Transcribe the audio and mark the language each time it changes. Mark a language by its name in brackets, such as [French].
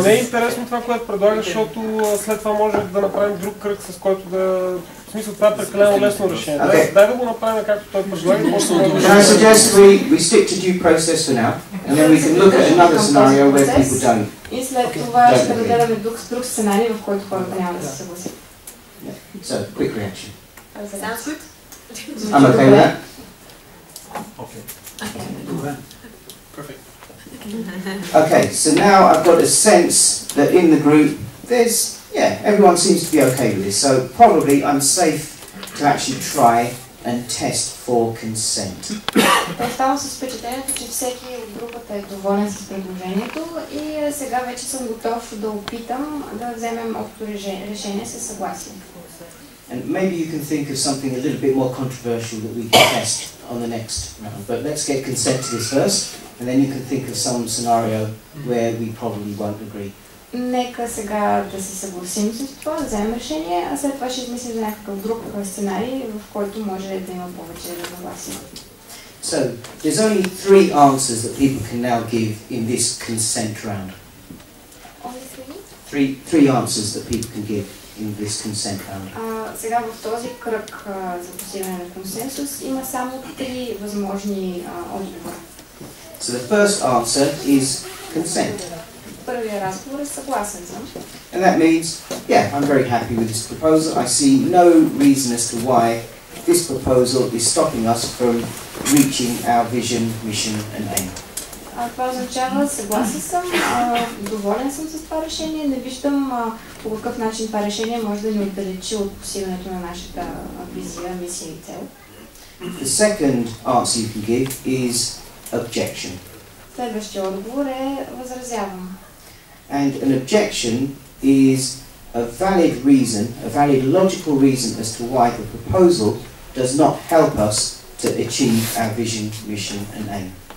[Bulgarian] не е интересно това, което предлагаш, защото след това може да направим друг кръг, с който да... В смисъл, това е прекалено лесно решение. Дай да го направим както той предлага. [English] Can I suggest we stick to due process for now, and then we can look at another scenario where people don't. [Bulgarian] И след това ще разгледаме друг сценарий, в който хората няма да се съгласят. [English] So, quick reaction. Sounds good. I'm okay with that. Okay. Perfect. Okay, so now I've got a sense that in the group, there's, yeah, everyone seems to be okay with this. So probably I'm safe to actually try and test for consent. [Bulgarian] Оставам с впечатлението, че всеки от групата е доволен с предложението и сега вече съм готов да опитам да вземем общо решение със съгласие. [English] And maybe you can think of something a little bit more controversial that we can test on the next round. But let's get consent to this first, and then you can think of some scenario where we probably won't agree. [Bulgarian] Нека сега да се съгласим с това, да вземем решение, а след това ще измислим някакъв друг сценарий, в който може да има повече разногласие. [English] So, there's only three answers that people can now give in this consent round. Only three? Three answers that people can give in this consent round. [Bulgarian] Сега в този кръг за постигане на консенсус има само три възможни отговора. [English] So the first answer is consent. [Bulgarian] Първият разговор е съгласен съм. [English] And that means, yeah, I'm very happy with this proposal. I see no reason as to why this proposal is stopping us from reaching our vision, mission and aim. [Bulgarian] Това означава, съгласен съм, доволен съм с това решение. Не виждам по какъв начин това решение може да ни отдалечи от постигането на нашата визия, мисия и цел. [English] The second answer you can give is objection. [Bulgarian] Следващия отговор е възразявам. [English] And an objection is a valid reason, a valid logical reason as to why the proposal does not help us to achieve our vision, mission and aim.